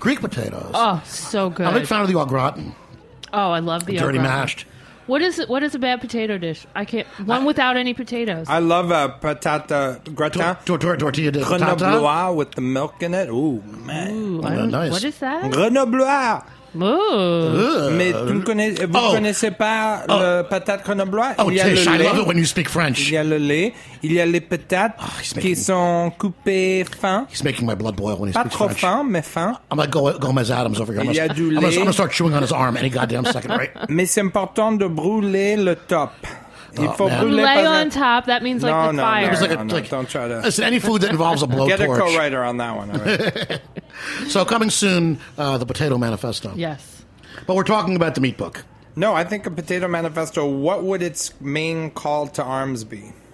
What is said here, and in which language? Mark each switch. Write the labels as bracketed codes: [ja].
[en] Greek potatoes. Oh, so good. I'm a big fan of the au gratin. Oh, I love the au gratin. Dirty mashed. What is a bad potato dish? I can't. One without any potatoes. I love a patata gratin. [es] Tortilla de patata. [en] Grenoble with the milk in it. Ooh, man. Nice. What is that? Grenoble. Ooh. [fr] Mais vous connaissez pas le patate Grenoble? [en] I love it when you speak French. [fr] Il y a le lait. Il y a les patates qui sont coupées fin. [en] He's making my blood boil when he [fr] pas [en] speaks French. [fr] Pas trop fin, mais fin. [en] I'm like Gomez Adams over here. I'm going to start chewing on his arm any goddamn second, right? [fr] Mais c'est important de brûler le top. Il faut brûler [en] on top. That means like no, the fire. No, don't try to. Listen, any food that involves a blowtorch. Get torch. A co-writer on that one. So coming soon, the Potato Manifesto. Yes. But we're talking about the meat book. No, I think a Potato Manifesto, what would its main call to arms be?